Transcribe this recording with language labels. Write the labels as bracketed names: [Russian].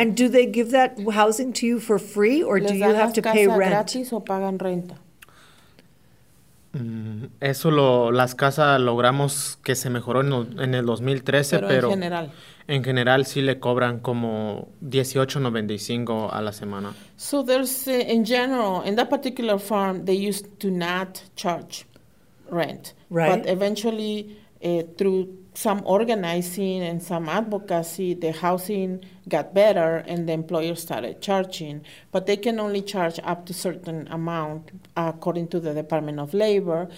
[English] And do they give that housing to you for free, or do you have to pay rent? [Spanish] Les dan las casas gratis o pagan renta. Eso lo, las casas logramos que se mejoró en el 2013, pero en general. En general sí le cobran como $18.95 a la semana. [English] So there's, in general, in that particular farm, they used to not charge rent. Right. But eventually, through some organizing and some advocacy, the housing got better and the employer started charging. But they can only charge up to certain amount according to the Department of Labor.